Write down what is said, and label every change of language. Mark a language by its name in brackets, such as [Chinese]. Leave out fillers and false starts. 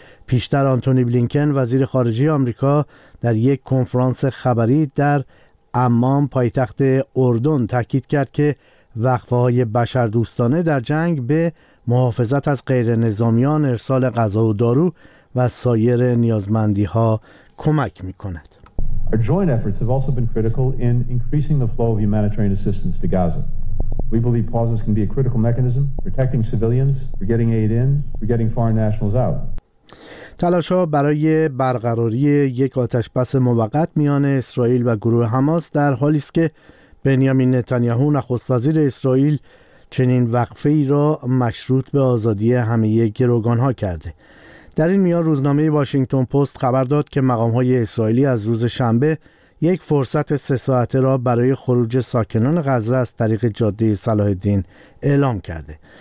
[Persian] پیشتر آنتونی بلینکن وزیر خارجه آمریکا در یک کنفرانس خبری در عمان پایتخت اردن تاکید کرد که وقفه‌های بشردوستانه در جنگ به محافظت از غیر نظامیان، ارسال غذا و دارو و سایر نیازمندی‌ها کمک می‌کند. [English] Our joint efforts have also been critical in increasing the flow of humanitarian assistance to Gaza. We believe pauses can be a critical mechanism protecting civilians, for getting aid in, for getting foreign nationals out. [Persian] تلاش‌ها برای برقراری یک آتش بس موقت میان اسرائیل و گروه حماس در حالی است که بنیامین نتانیاهو نخست وزیر اسرائیل چنین وقفه‌ای را مشروط به آزادی همه گروگان‌ها کرده. در این میان روزنامه واشنگتن پست خبر داد که مقام‌های اسرائیلی از روز شنبه یک فرصت 3 ساعته را برای خروج ساکنان غزه از طریق جاده صلاح الدین اعلام کرده.